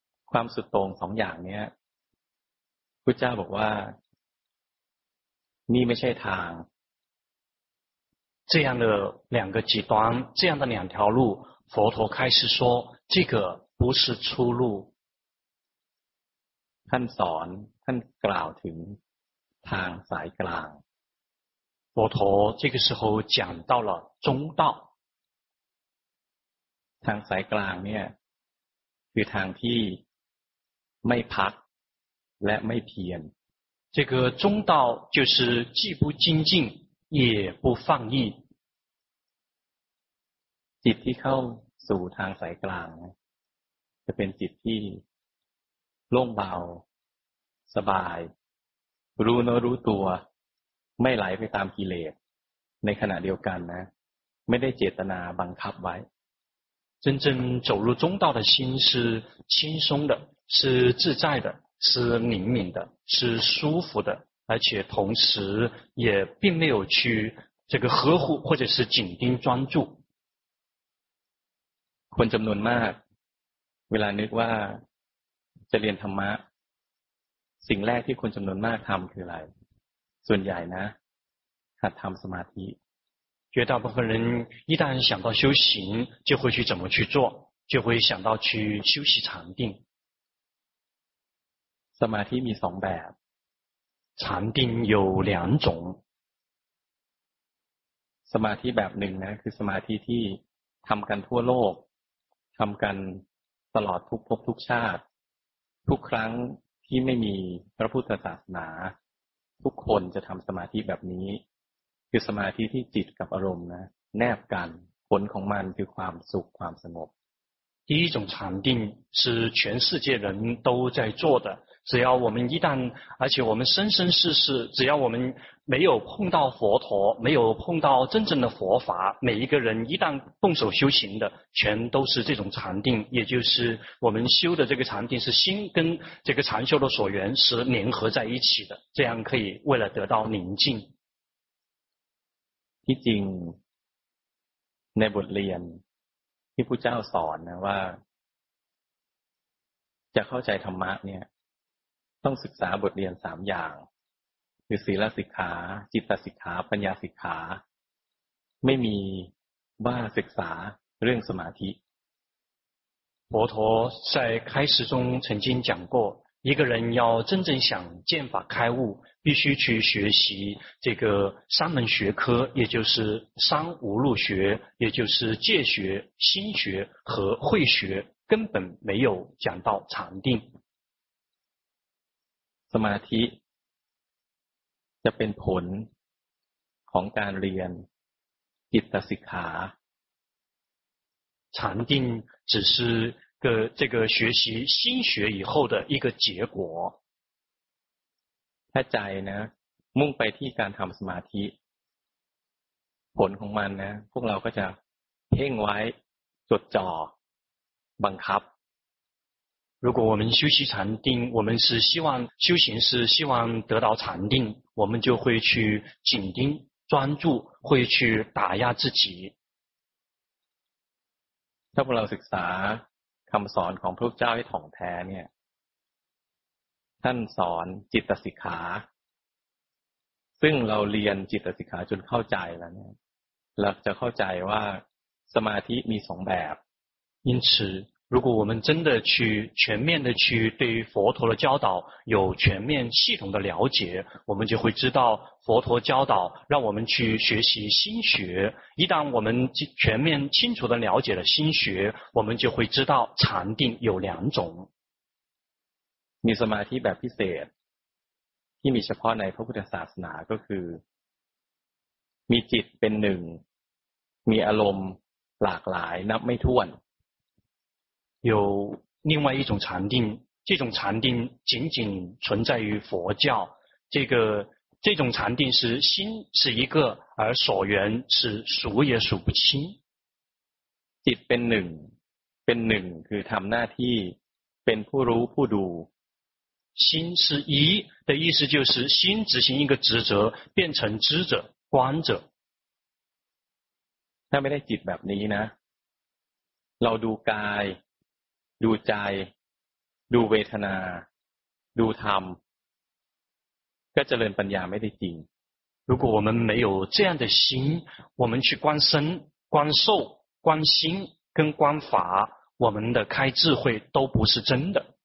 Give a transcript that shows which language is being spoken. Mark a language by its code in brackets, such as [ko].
[th] ความสุดตรง2อย่างเนี้ยพุทธเจ้าบอกว่านี่ไม่ใช่ทาง [zh] 这样的两个极端这样的两条路佛陀开始说这个不是出路 [th] ท่านสอนท่านกล่าวถึงทางสายกลาง [zh] 佛陀这个时候讲到了中道 [th] ทางสายกลางเนี่ยคือทางที่ไม่พักและไม่เพียร [zh] 这个中道就是既不精进也不放逸 [th] จิตที่เข้าสู่ทางสายกลางจะเป็นจิตที่โล่งเบาสบายรู้เนื้อรู้ตัวไม่ไหลไปตามกิเลสในขณะเดียวกันนะไม่ได้เจตนาบังคับไว้ [zh] 真正走入中道的心是轻松的是自在的是灵敏的是舒服的而且同时也并没有去这个呵护或者是紧盯专注 [th] คนจำนวนมากเวลานึกว่าจะเรียนธรรมะสิ่งแรกที่คนจำนวนมากทำคืออะไรส่วนใหญ่นะหัดทำสมาธิ [zh] 绝大部分人一旦想到修行就会去怎么去做就会想到去休息禅定 [th] สมาธิมี2แบบ [zh] 禅定有2种 [th] สมาธิแบบหนึ่งนะคือสมาธิที่ทำกันทั่วโลกทำกันตลอดทุกภพทุกชาติทุกครั้งที่ไม่มีพระพุทธศาสนาทุกคนจะทำสมาธิแบบนี้คือสมาธิที่จิตกับอารมณ์นะแนบกันผลของมันคือความสุขความสงบ [zh] 第一种禅定是全世界人都在做的只要我们一旦而且我们生生世世只要我们没有碰到佛陀没有碰到真正的佛法每一个人一旦动手修行的全都是这种禅定也就是我们修的这个禅定是心跟这个禅修的所缘是联合在一起的这样可以为了得到宁静 [th] ที่จริงในบทเรียนที่พุทธเจ้าสอนนะว่าจะเข้าใจธรรมะเนี่ยต้องศึกษาบทเรียน3อย่างคือศีลสิกขาจิตตสิกขาปัญญาสิกขา 没米哇塞啥认识马蹄。 [zh] 佛陀在开始中曾经讲过，一个人要真正想见法开悟，必须去学习这个三门学科，也就是三无漏学，也就是戒学、心学和慧学，根本没有讲到禅定。 [th] สมาธิจะเป็นผลของการเรียนจิตสิกขา [zh] 禅定只是个这个学习心学以后的一个结果。 [th] ถ้าใจนะมุ่งไปที่การทำสมาธิผลของมันนะพวกเราก็จะเพ่งไว้จดจ่อบังคับ [zh] 如果我们修习禅定，我们是希望修行，是希望得到禅定，我们就会去紧盯专注，会去打压自己。 [th] ถ้าพวกเราศึกษาคำสอนของพระพุทธเจ้าให้ถ่องแท้เนี่ยท่านสอนจิตสิกขาซึ่งเราเรียนจิตสิกขาจนเข้าใจแล้วเนี่ยเราจะเข้าใจว่าสมาธิมีสองแบบ [zh] 因此如果我们真的去全面的去对于佛陀的教导有全面系统的了解，我们就会知道佛陀教导让我们去学习心学。一旦我们全面清楚的了解了心学，我们就会知道禅定有两种。 [th] มีสมาธิแบบพิเศษที่มีเฉพาะในพระพุทธศาสนาก็คือมีจิตเป็นหนึ่งมีอารมณ์หลากหลายนับไม่ถ้วน [zh] 有另外一种禅定，这种禅定仅仅存在于佛教。这种禅定是心是一个，而所缘是数也数不清。 [th] จิตเป็นหนึ่ง，เป็นหนึ่งคือทำหน้าที่เป็นผู้รู้ผู้ดู。 [zh] 心是一的意思就是心执行一个职责，变成知者、观者。 [th] ถ้าไม่ได้จิตแบบนี้นะ，เราดูกายดูใจดูเวทนาดูธรรมก็เจริญปัญญาไม่ได้จริง [zh] 如果我们没有这样的心我们去观身观受观心跟观法我们的开智慧都不是真的